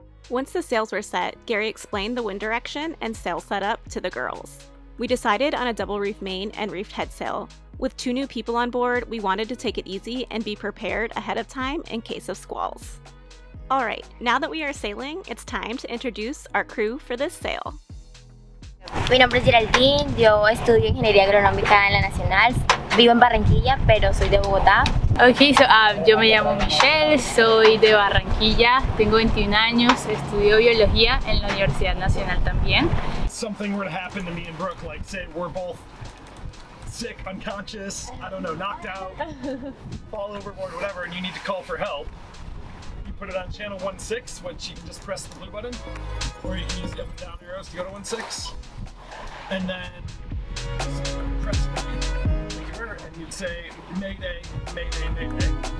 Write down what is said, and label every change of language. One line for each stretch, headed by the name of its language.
English: Once the sails were set, Gary explained the wind direction and sail setup to the girls. We decided on a double reef main and reefed head sail. With two new people on board, we wanted to take it easy and be prepared ahead of time in case of squalls. All right, now that we are sailing, it's time to introduce our crew for this sail.
Spanish: Mi nombre es Geraldine, yo estudio ingeniería agronómica en la Nacional. Vivo en Barranquilla, pero soy de Bogotá. Okay, so yo me llamo Michelle, soy de Barranquilla, tengo 21 años, estudio biología en la Universidad Nacional también.
English: Something were to happen to me and Brooke, like say we're both sick, unconscious, I don't know, knocked out, fall overboard, whatever, and you need to call for help, you put it on channel 1-6, which you can just press the blue button, or you can use the up and down arrows to go to 1-6, and then press the trigger, and you'd say, mayday, mayday, mayday.